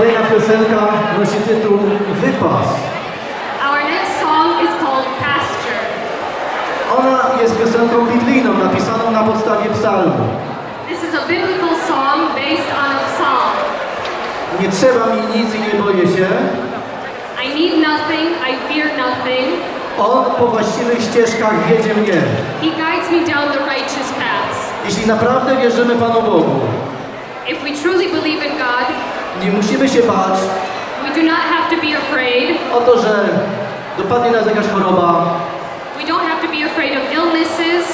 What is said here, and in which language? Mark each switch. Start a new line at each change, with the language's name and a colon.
Polish: piosenka nosi tytuł Wypas.
English: Our next song is called Pasture.
Polish: Ona jest piosenką biblijną, napisaną na podstawie psalmu.
English: This is a biblical song based on a psalm.
Polish: Nie trzeba mi nic i nie boję się.
English: I need nothing, I fear nothing.
Polish: On po właściwych ścieżkach wiedzie mnie.
English: He guides me down the righteous paths.
Polish: Jeśli naprawdę wierzymy Panu Bogu,
English: if we truly believe in God,
Polish: nie musimy się bać,
English: we do not have to be afraid,
Polish: o to, że dopadnie nas jakaś choroba,
English: we don't have to be afraid of illnesses,